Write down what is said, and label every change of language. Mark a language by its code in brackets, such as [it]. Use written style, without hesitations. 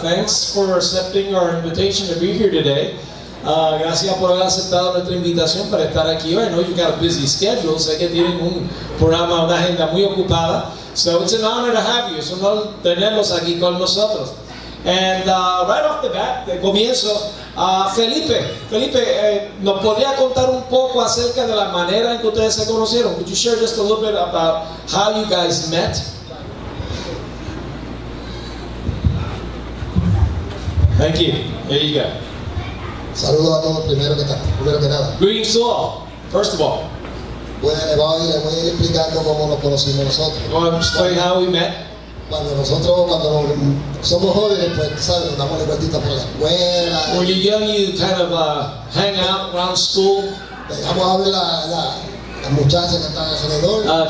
[en] Thanks for accepting our invitation to be here today. [es] Gracias por haber aceptado nuestra invitación para estar aquí hoy. [en] I know you've got a busy schedule. [es] Sé que tienen un programa, una agenda muy ocupada. [en] So it's an honor to have you. [es] Es un honor tenerlos aquí con nosotros. [en] And right off the bat, [es] de comienzo, Felipe, ¿nos podría contar un poco acerca de la manera en que ustedes se conocieron? [en] Could you share just a little bit about how you guys met? Thank you. There you go. [es] Saludos a todos primero que nada. [en] Greetings to all. First of all. [es] Bueno, le voy a ir explicando cómo nos conocimos nosotros. [en] I'm going to explain how we met. [es] Cuando somos jóvenes, pues, sabes, nos damos libertitas por la escuela. [en] When you're young, you kind of hang out around school. [es] Dejamos a ver la muchacha que está alrededor.